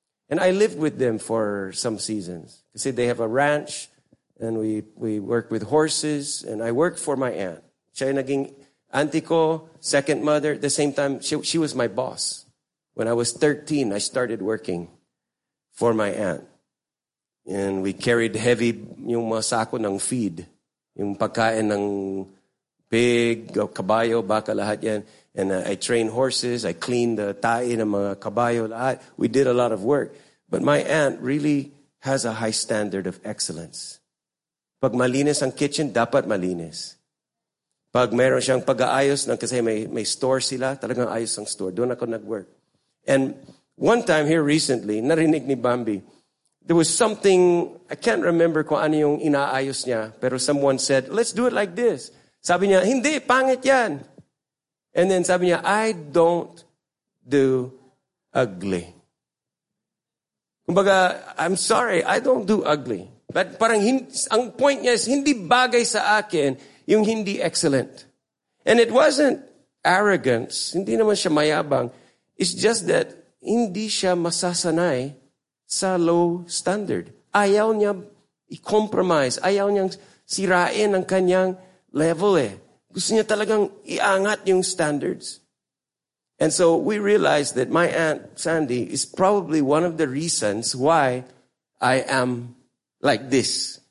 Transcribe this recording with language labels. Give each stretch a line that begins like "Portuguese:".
English: And I lived with them for some seasons. Kasi they have a ranch and we work with horses and I worked for my aunt.
Filipino: Siya ay naging auntie ko,
English: second mother, at the same time, she was my boss. When I was 13, I started working for my aunt. And we carried heavy
Filipino: yung mga sako ng feed. Yung pagkain ng pig, kabayo, baka lahat yan.
English: And I trained horses. I cleaned the tae
Filipino: ng mga kabayo.
English: Lahat. We did a lot of work. But my aunt really has a high standard of excellence.
Filipino: Pag malinis ang kitchen, dapat malinis. Pag meron siyang pag-aayos, kasi may store sila, talagang ayos ang store. Doon ako nag-work.
English: And one time here recently,
Filipino: narinig ni Bambi,
English: there was something, I can't remember
Filipino: kung ano yung inaayos niya, pero
English: someone said, let's do it like this.
Filipino: Sabi niya, hindi, pangit yan. And then sabi niya,
English: I don't do ugly. Kumbaga, I'm sorry, I don't do ugly.
Filipino: But parang ang point niya is, hindi bagay sa akin yung hindi excellent.
English: And it wasn't arrogance,
Filipino: hindi naman siya mayabang.
English: It's just that
Filipino: hindi siya masasanay sa
English: low standard.
Filipino: Ayaw niya i-compromise. Ayaw niyang sirain ang kanyang level eh. Gusto niya talagang iangat yung standards.
English: And so we realized that my Aunt Sandy is probably one of the reasons why I am like this.